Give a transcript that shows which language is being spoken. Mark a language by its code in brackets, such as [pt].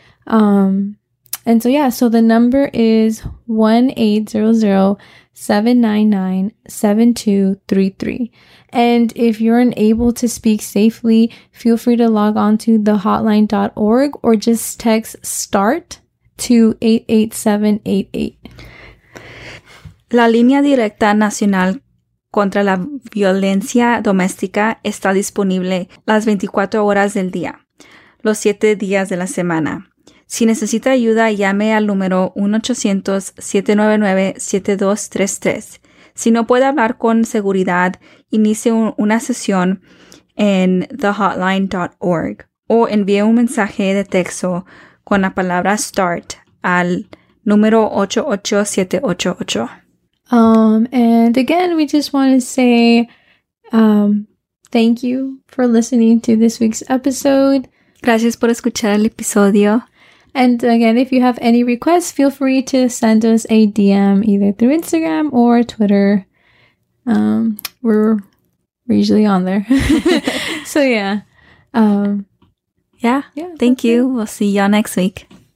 [en] And so, yeah, so the number is 1-800-799-7233. And if you're unable to speak safely, feel free to log on to thehotline.org or just text START to 88788. [es] La Línea Directa Nacional contra la Violencia Doméstica está disponible las 24 horas del día, los 7 días de la semana. Si necesita ayuda, llame al número 1-800-799-7233. Si no puede hablar con seguridad, inicie una sesión en thehotline.org o envíe un mensaje de texto con la palabra START al número 88788. [en] And again, we just want to say thank you for listening to this week's episode. [es] Gracias por escuchar el episodio. [en] And again, if you have any requests, feel free to send us a DM either through Instagram or Twitter. We're usually on there. So, yeah. Yeah. Thank you. It. We'll see y'all next week.